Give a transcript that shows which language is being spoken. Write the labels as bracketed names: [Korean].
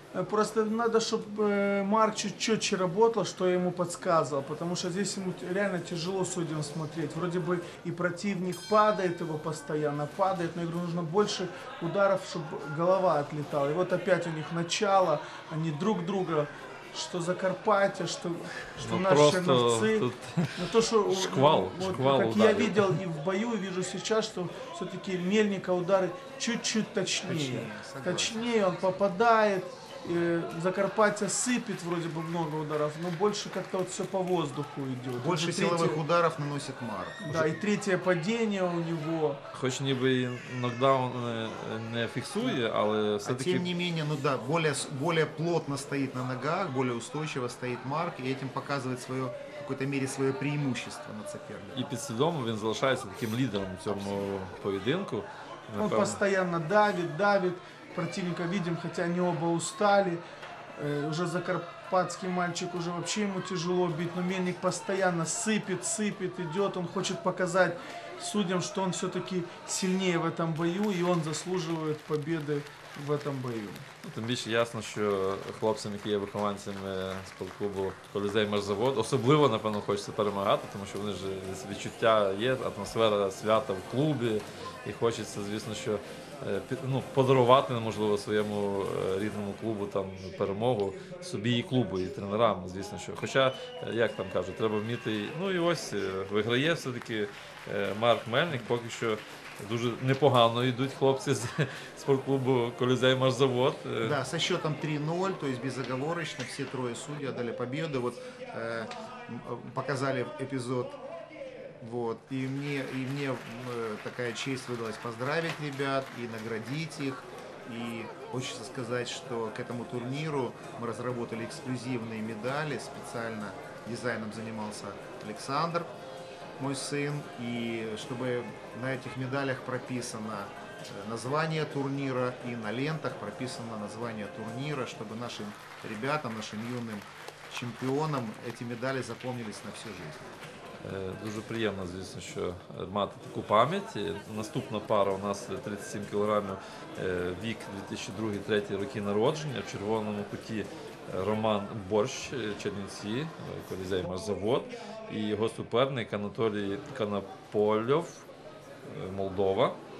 [Russian] Просто надо, чтобы Марк чуть четче работал, что я ему подсказывал. Потому что здесь ему реально тяжело судьям смотреть. Вроде бы и противник падает, его постоянно падает. Но я говорю, нужно больше ударов, чтобы голова отлетала. И вот опять у них начало, они друг друга [Ukrainian] що Закарпаття, що наші Чернівці. На то, що шквал, шквал ударів. Я бачив і в бою, і бачу зараз, що все-таки Мельника удари чуть-чуть точніше. Точніше він попадає. [Russian] Закарпаття сипет, вроде бы много ударов, но больше как-то вот все по воздуху идет. Больше третье... силовых ударов наносит Марк. Да, уже... и третье падение у него. [Ukrainian] Хоч ніби и нокдаун не фиксує, але все-таки... [Russian] А тем не менее, ну да, более плотно стоит на ногах, более устойчиво стоит Марк, и этим показывает свое, в какой-то мере свое преимущество над соперником. [Ukrainian] И підсвідомо він залишається таким лідером в цьому поєдинку. [Russian] Напевно. Он постоянно давит. Противника видим, хотя они оба устали, уже закарпатский мальчик, уже вообще ему тяжело бить, но Мельник постоянно сыпет, идет, он хочет показать судьям, что он все-таки сильнее в этом бою, и он заслуживает победы в этом бою. [Ukrainian] Тим більше ясно, що хлопцям, які є вихованцями спортклубу Колізей Мерзавод, особливо, напевно, хочеться перемагати, тому що вони ж відчуття є, атмосфера свята в клубі, і хочеться, звісно, що ну, подарувати, можливо, своєму рідному клубу там перемогу собі і клубу, і тренерам, звісно, що. Хоча, як там кажуть, треба вміти, ну і ось виграє все-таки Марк Мельник, поки що дуже непогано йдуть хлопці з спортклубу Колізей Марзавод. [Russian] Да, со счетом 3-0, то есть безоговорочно, все трое судей отдали победу. Вот показали эпизод. Вот. И мне такая честь выдалась поздравить ребят и наградить их. И хочется сказать, что к этому турниру мы разработали эксклюзивные медали. Специально дизайном занимался Александр, мой сын. И чтобы на этих медалях прописано название турнира и на лентах прописано название турнира, чтобы нашим ребятам, нашим юным чемпионам эти медали запомнились на всю жизнь. [Ukrainian] Дуже приємно, звісно, що мати таку пам'ять. Наступна пара у нас 37 кілограмів, вік 2002-2003 роки народження. В червоному куті Роман Борщ, Чернівці, Колізей Марзавод. І його суперник Анатолій Канапольов, Молдова.